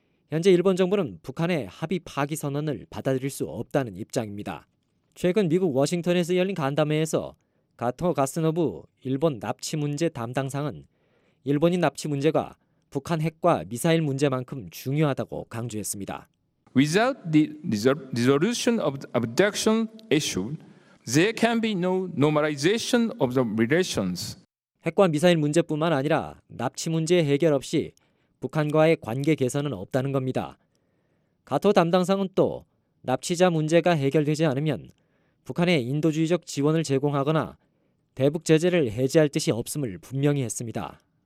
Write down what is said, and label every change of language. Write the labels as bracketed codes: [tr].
[ko] 현재 일본 정부는 북한의 합의 파기 선언을 받아들일 수 없다는 입장입니다. 최근 미국 워싱턴에서 열린 간담회에서 가토 가스노부 일본 납치 문제 담당상은 일본인 납치 문제가 북한 핵과 미사일 문제만큼 중요하다고 강조했습니다. [en] Without the resolution of the abduction issue, there can be no normalization of the relations. [ko] 핵과 미사일 문제뿐만 아니라 납치 문제 해결 없이 북한과의 관계 개선은 없다는 겁니다. 가토 담당상은 또 납치자 문제가 해결되지 않으면 북한에 인도주의적 지원을 제공하거나 대북 제재를 해제할 뜻이 없음을 분명히 했습니다.